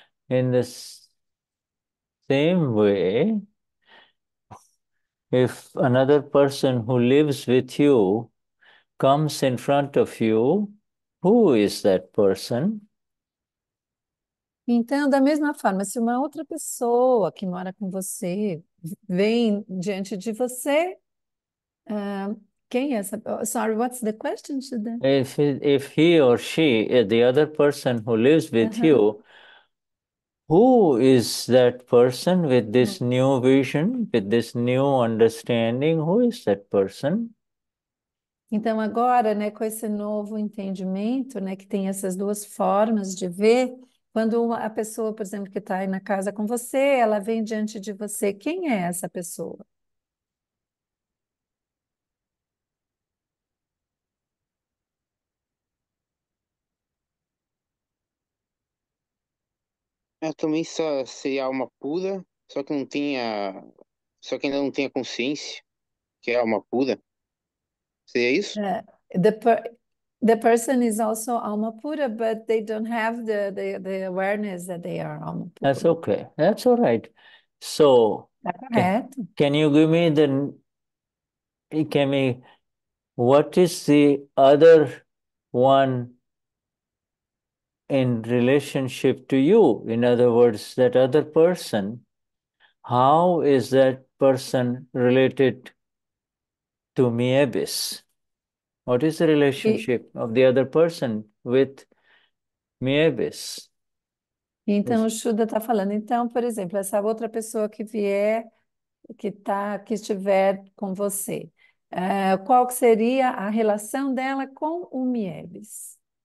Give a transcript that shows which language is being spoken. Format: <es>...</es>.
<en>In the same way, if another person who lives with you comes in front of you, who is that person?</en> <pt>Então, da mesma forma, se uma outra pessoa que mora com você vem diante de você, quem é essa?</pt> <en>Oh, sorry, what's the question, Shuddha? If he or she, the other person who lives with you, who is that person with this new vision, with this new understanding? Who is that person?</en> <pt>Então, agora, né, com esse novo entendimento, né, que tem essas duas formas de ver. Quando a pessoa, por exemplo, que está aí na casa com você, ela vem diante de você, quem é essa pessoa? É, também seria alma pura, só que não tinha, só que ainda não tinha consciência que é alma pura. Seria isso?</pt> <en>The person is also alma pura, but they don't have the awareness that they are alma That's pura. okay. That's all right. So,</en> <pt>Tá correto.</pt> <en>can you give me the, can me, what is the other one in relationship to you? In other words, that other person, how is that person related to me, Abyss? What is the relationship of the other person with me, Abyss?</en> <pt>Então, o Shuddha está falando. Então, por exemplo, essa outra pessoa que vier, que estiver com você, qual que seria a relação dela com o Mieves?</pt>